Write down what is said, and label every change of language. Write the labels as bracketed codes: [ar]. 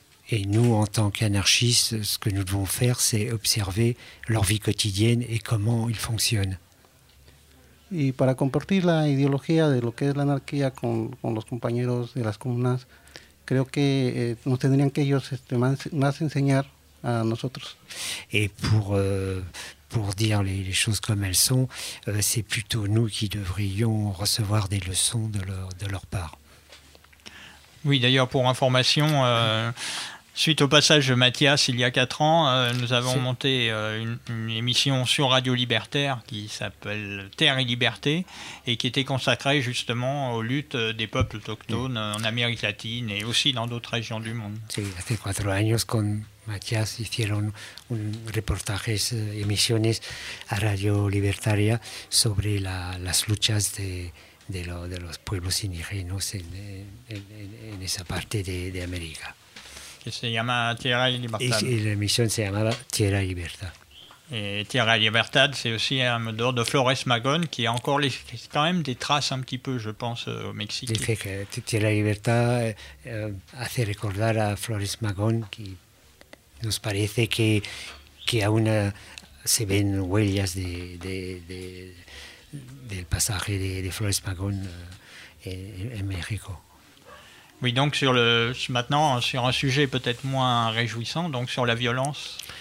[fr] Et nous, en tant qu'anarchistes, ce que nous devons faire, c'est observer leur vie quotidienne et comment ils fonctionnent. [es] Y para compartir la ideología de lo que es la anarquía con los compañeros de las comunas, creo que nos tendrían que ellos más enseñar a nosotros. [fr] Y pour dire les choses comme elles sont, c'est plutôt nous qui devrions recevoir des leçons de leur part. Oui, d'ailleurs, pour information, suite au passage de Mathias il y a 4 ans, nous avons monté une émission sur Radio Libertaire qui s'appelle Terre et Liberté et qui était consacrée justement aux luttes des peuples autochtones en Amérique latine et aussi dans d'autres régions du monde. [es] Sí, hace 4 años con Mathias hicieron un reportaje, emisiones a Radio Libertaria sobre las luchas de los pueblos indígenas en esa parte de América. Que se llama Tierra y Libertad. Y la misión se llamaba Tierra y Libertad. [fr] Tierra y Libertad, c'est aussi un mot d'ordre de Flores Magón, qui a encore quand même des traces un petit peu, je pense, au Mexique. [es] Dice que Tierra y Libertad hace recordar a Flores Magón, qui nos parece que aún se ven huellas del pasaje de Flores Magón en México. [fr] Oui, donc sur un sujet peut-être moins réjouissant, donc sur la violence,